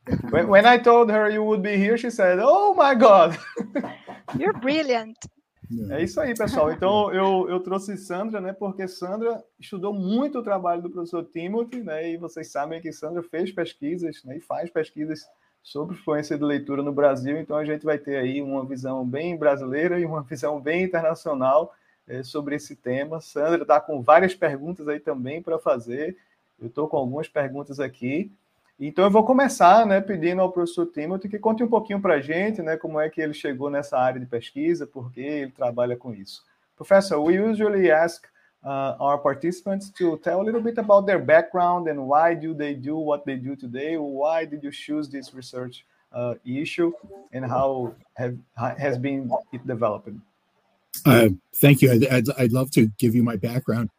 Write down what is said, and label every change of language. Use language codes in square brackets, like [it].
[en] When I told her you would be here, she said, "Oh my God!" You're brilliant. [pt] É isso aí, pessoal. Então eu trouxe Sandra, né? Porque Sandra estudou muito o trabalho do professor Timothy, né? E vocês sabem que Sandra fez pesquisas, né? E faz pesquisas sobre fluência de leitura no Brasil, então a gente vai ter aí uma visão bem brasileira e uma visão bem internacional sobre esse tema. Sandra está com várias perguntas aí também para fazer, eu estou com algumas perguntas aqui. Então eu vou começar, né, pedindo ao professor Timothy que conte um pouquinho para a gente, né, como é que ele chegou nessa área de pesquisa, por que ele trabalha com isso. [en] Professor, we usually ask our participants to tell a little bit about their background and why do they do what they do today? Why did you choose this research issue and how has been it developing? Thank you. I'd love to give you my background.